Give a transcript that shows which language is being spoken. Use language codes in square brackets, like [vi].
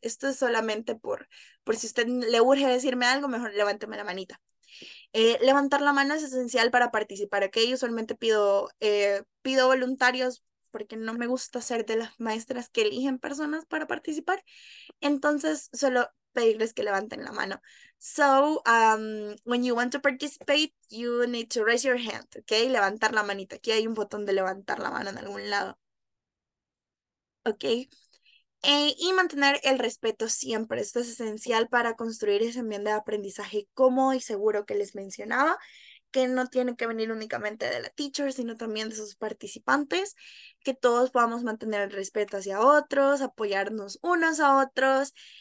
[es] Esto es solamente por si usted le urge decirme algo, mejor levánteme la manita. Levantar la mano es esencial para participar, ¿ok? Usualmente pido voluntarios porque no me gusta ser de las maestras que eligen personas para participar. Entonces, solo pedirles que levanten la mano. [en] So, when you want to participate, you need to raise your hand, okay? [es] Levantar la manita. Aquí hay un botón de levantar la mano en algún lado. Okay. Y mantener el respeto siempre. Esto es esencial para construir ese ambiente de aprendizaje cómodo y seguro que les mencionaba, que no tiene que venir únicamente de la teacher, sino también de sus participantes, que todos podamos mantener el respeto hacia otros, apoyarnos unos a otros.